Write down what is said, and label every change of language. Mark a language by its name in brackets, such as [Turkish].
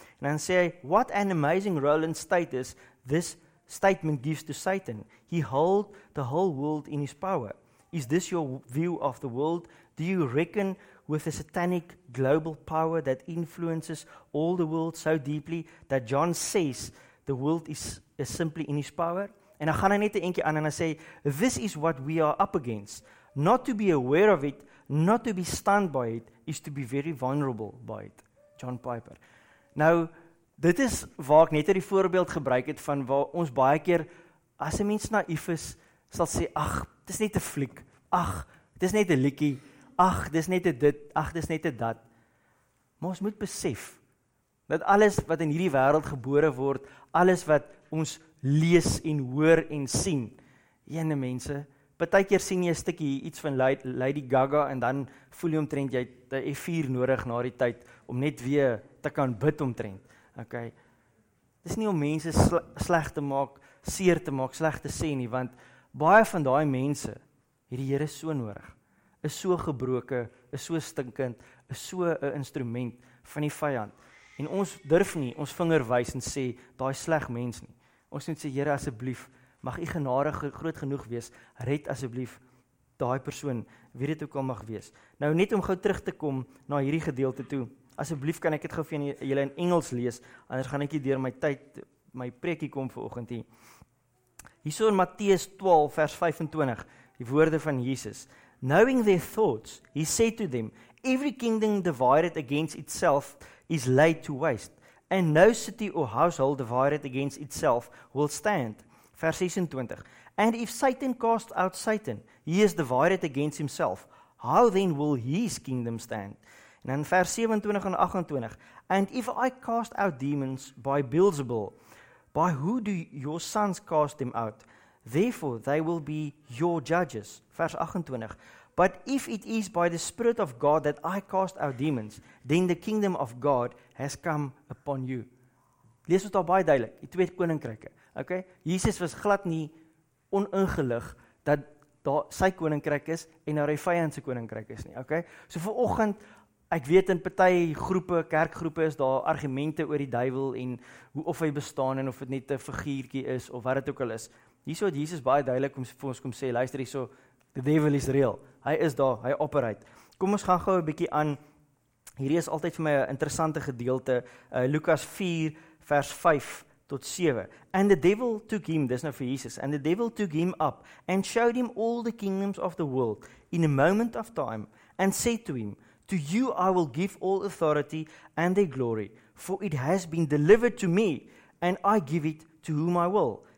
[Afrikaans] En dan sê hy, [English] what an amazing role and status this statement gives to Satan. He holds the whole world in his power. Is this your view of the world? Do you reckon with a satanic global power that influences all the world so deeply that John says the world is simply in his power? En dan gaan hy net 'n eentjie aan en hy sê, this is what we are up against. Not to be aware of it, not to be stunned by it, is to be very vulnerable by it. John Piper. [Afrikaans] Nou, dit is waar ek net hierdie voorbeeld gebruik het van waar ons baie keer, as 'n mens naïef is, sal sê, ag, dis net 'n fliek, ag, dis net 'n liedjie, ag, dis net 'n dit, ag, dis net 'n dat. Maar ons moet besef dat alles wat in hierdie wêreld gebore word, alles wat ons lees en hoor en sien, ene mense, partykeer sien jy 'n stukkie iets van Lady Gaga en dan voel jy omtrent jy het 'n F4 nodig na die tyd om net weer te kan bid omtrent. Okay. Dis nie om mense sleg te maak, seer te maak, sleg te sê nie, want baie van daai mense het die Here so nodig. Is so gebroken, is so stinkend, is so 'n instrument van die vyand. En ons durf nie ons vinger wys en sê daai sleg mens nie. Ons moet sê Here asseblief, mag U genade groot genoeg wees, red asseblief daai persoon, wie dit ook al mag wees. Nou net om gou terug te kom na hierdie gedeelte toe. Asseblief kan ek dit gou vir julle in Engels lees, anders gaan ek hier deur my tyd my preekie kom vanoggend hier. Hierso in Matteus 12 vers 25, die woorde van Jesus. [English] Knowing their thoughts, he said to them, every kingdom divided against itself is laid to waste, and no city or household divided against itself will stand. [Afrikaans] Vers 26, [English] and if Satan cast out Satan, he is divided against himself, how then will his kingdom stand? [Afrikaans] En in vers 27 en 28, [English] and if I cast out demons by Beelzebul, by who do your sons cast them out? Therefore they will be your judges. [Afrikaans] Vers 28, [English] but if it is by the Spirit of God that I cast out demons, then the kingdom of God has come upon you. [Afrikaans] Lees het al baie duidelik, die twee koninkryke. Okay, Jesus was glad nie oningelig dat daar sy koninkryk is en daar hy vyand se koninkryk is nie. Okay, so vir oggend, ek weet in party groepe, kerkgroepe is daar argumente oor die duivel en hoe of hy bestaan en of het net 'n figuurtjie is of wat het ook al is. Hierso het Jesus baie duidelik vir ons kom sê, luister hierso, [English] the devil is real. [Afrikaans] Hy is daar, hy operate. Kom ons gaan gou 'n bietjie aan, hierdie is altyd vir my 'n interessante gedeelte, Lukas 4 vers 5. Tot 7. [English] And the devil took him, this is now for Jesus, and the devil took him up and showed him all the kingdoms of the world in a moment of time and said to him, to you I will give all authority and their glory, for it has been delivered to me and I give it to whom I will.